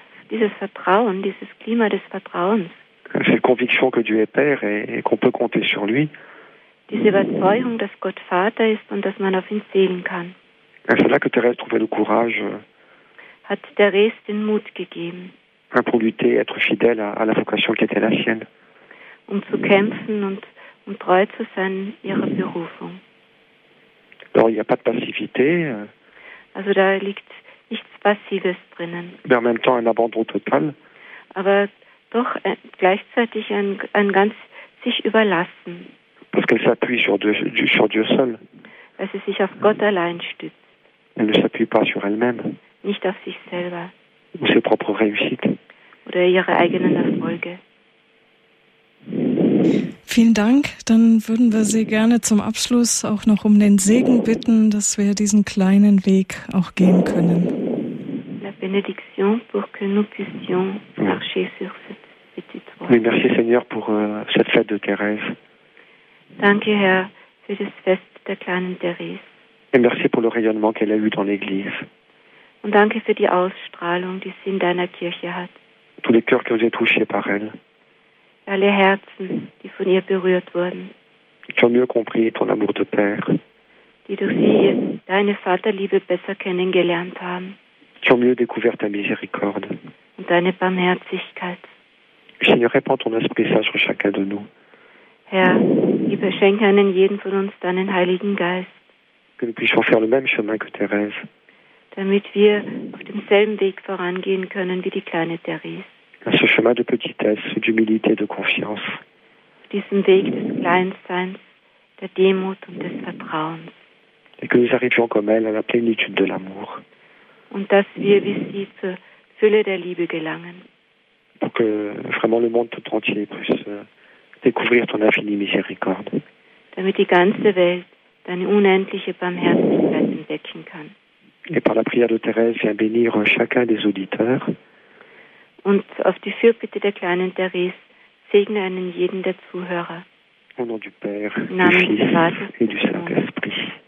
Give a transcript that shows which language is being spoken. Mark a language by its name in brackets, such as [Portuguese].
[German] Dieses Vertrauen, dieses Klima des Vertrauens. [French] Cette conviction que Dieu est Père et qu'on peut compter sur lui. [German] Diese Überzeugung, dass Gott Vater ist und dass man auf ihn zählen kann. [French] C'est là que Thérèse trouvait le courage. [German] Hat Thérèse den Mut gegeben. [French] Pour lutter, être fidèle à la vocation qui était la sienne. [German] Um zu kämpfen und um treu zu sein ihrer Berufung. [French] Alors, il n'y a pas de passivité. [German] Also da liegt nichts Passives drinnen. [French] Mais en même temps, un abandon total. [German] Aber doch gleichzeitig ein ganz sich überlassen. [French] Parce qu'elle s'appuie sur Dieu seul. [German] Weil sie sich auf Gott allein stützt. [French] Elle ne s'appuie pas sur elle-même. [German] Nicht auf sich selber. [French] Ou ses propres réussites. [German] Oder ihre eigenen Erfolge. Vielen Dank. Dann würden wir Sie gerne zum Abschluss auch noch um den Segen bitten, dass wir diesen kleinen Weg auch gehen können. [French] La bénédiction pour que nous puissions marcher sur cette petite voie. Oui, merci Seigneur pour cette fête de Thérèse. [German] Danke Herr für das Fest der kleinen Thérèse. [French] Et merci pour le rayonnement qu'elle a eu dans l'Église. [German] Und danke für die Ausstrahlung, die sie in deiner Kirche hat. [French] Tous les cœurs qui ont été touchés par elle. [German] Alle Herzen, die von ihr berührt wurden. [French] Qui ont mieux compris ton amour de Père. [German] Die durch sie deine Vaterliebe besser kennengelernt haben. [French] Qui ont mieux découvert ta miséricorde. [German] Und deine Barmherzigkeit. [French] Seigneur, répands ton esprit saint sur chacun de nous. [German] Herr, gib schenke einen jeden von uns deinen Heiligen Geist. [French] Que nous puissions faire le même chemin que Thérèse. [German] Damit wir auf demselben Weg vorangehen können wie die kleine Thérèse. [French] Ce chemin de petitesse, d'humilité, de confiance. [German] Diesen Weg des Kleinseins, der Demut und des Vertrauens. [French] Et que nous arrivions comme elle à la plénitude de l'amour. [German] Und dass wir wie sie zur Fülle der Liebe gelangen. [French] Pour que vraiment le monde tout entier puisse découvrir ton infinie miséricorde. [German] Damit die ganze Welt deine unendliche Barmherzigkeit entdecken kann. [French] Et par la prière de Thérèse, viens bénir chacun des auditeurs. [German] Und auf die Fürbitte der kleinen Thérèse, segne einen jeden der Zuhörer. [French] Au nom du Père, du Fils et du Saint-Esprit.